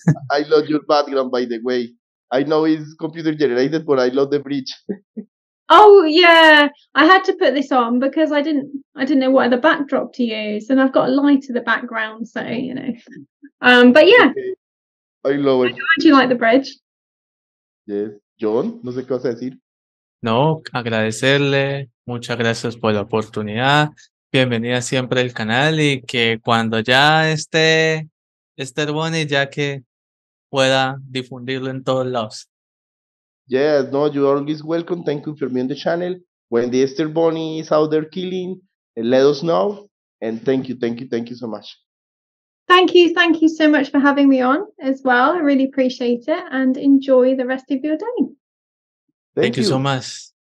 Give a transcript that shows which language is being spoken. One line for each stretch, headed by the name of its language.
English: I love your background, by the way. I know it's computer generated, but I love the bridge. Oh yeah, I had to put this on because I didn't know what other backdrop to use, and I've got a light in the background, so you know. But yeah, okay. I love it. Do you like the bridge?
Spanish: Yes, Jhon, no sé qué vas a decir. No, agradecerle, muchas gracias por la oportunidad. Bienvenida siempre al canal, y que cuando ya esté Esther Bonnie, ya que pueda difundirlo en todos lados.
English: Yes, no, you are always welcome. Thank you for being the channel. When the Easter Bunny is out there killing, let us know. And thank you so much. Thank you so much for having me on as well. I really appreciate it, and enjoy the rest of your day. Thank you so much.